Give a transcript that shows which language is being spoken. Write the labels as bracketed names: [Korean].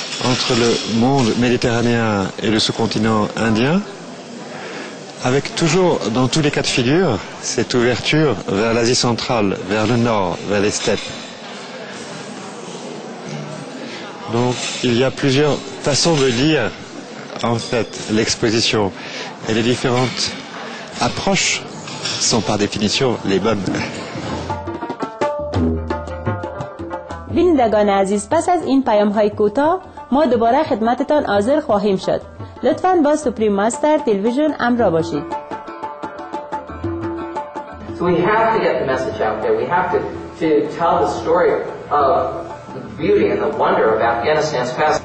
[French] entre le monde méditerranéen et le sous-continent indien, avec toujours, dans tous les cas de figure, cette ouverture vers l'Asie centrale, vers le nord, vers les steppes. Donc, il y a plusieurs façons de lire, en fait, l'exposition. Et les différentes approches sont par définition les bonnes. [Persian] بینندگان عزیز، پس از این پیام‌های کوتاه ما دوباره خدمتتان حاضر خواهیم شد. لطفاً با سوپریم ماستر تلویزیون همراه باشید. [English] So we have to get the message out there. We have to tell the story of the beauty and the wonder of Afghanistan's past.